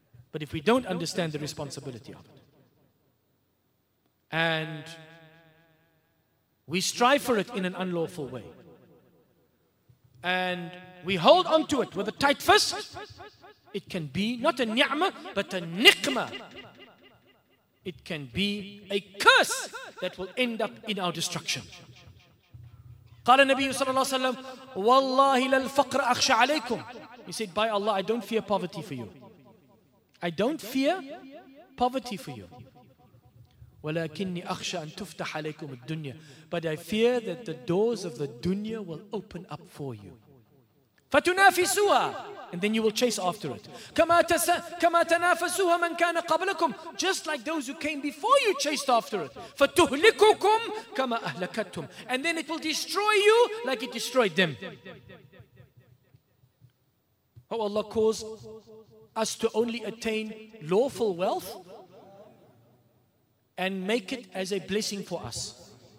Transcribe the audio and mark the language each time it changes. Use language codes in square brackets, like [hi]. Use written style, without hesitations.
[en] But if we don't understand the responsibility of it, and we strive for it in an unlawful way, and we hold on to it with a tight fist, it can be not a ni'mah, but a niqmah. It can be a curse that will end up in our destruction. [ar] قال النبي صلى الله عليه وسلم والله للفقر أخشى عليكم. [en] He said, by Allah, I don't fear poverty for you. I don't fear poverty for you. [ar] ولكني أخشى أن تفتح عليكم الدنيا. [en] But I fear that the doors of the dunya will open up for you. [ar] فتنافسوها. [en] And then you will chase after it. [ar] كما تنافسوها من كان قبلكم. [en] Just like those who came before you chased after it. [ar] فتهلككم كما أهلكتهم. [en] And then it will destroy you like it destroyed them. Oh, Allah cause us to only attain lawful wealth and make it as a blessing for us.